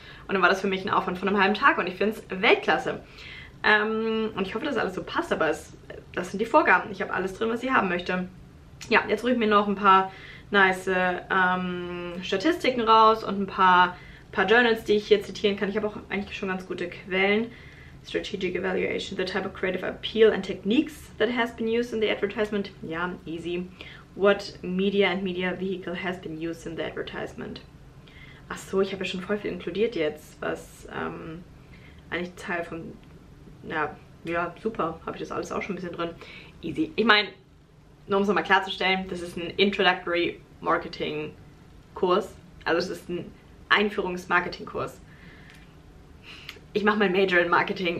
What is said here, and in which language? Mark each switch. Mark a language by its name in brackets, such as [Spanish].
[German] Und dann war das für mich ein Aufwand von einem halben Tag und ich finde es Weltklasse. Und ich hoffe, dass alles so passt, aber das sind die Vorgaben. Ich habe alles drin, was ich haben möchte. Ja, jetzt rufe ich mir noch ein paar nice Statistiken raus und ein paar Journals, die ich hier zitieren kann. Ich habe auch eigentlich schon ganz gute Quellen. [English] Strategic Evaluation, the type of creative appeal and techniques that has been used in the advertisement. [German] Ja, easy. [English] What media and media vehicle has been used in the advertisement? [German] Ach so, ich habe ja schon voll viel inkludiert jetzt, was eigentlich Teil von... Na, ja, super, habe ich das alles auch schon ein bisschen drin. Easy. Ich meine... Nur um es nochmal klarzustellen, das ist ein Introductory Marketing Kurs. Also es ist ein Einführungs-Marketing Kurs. Ich mache mein Major in Marketing.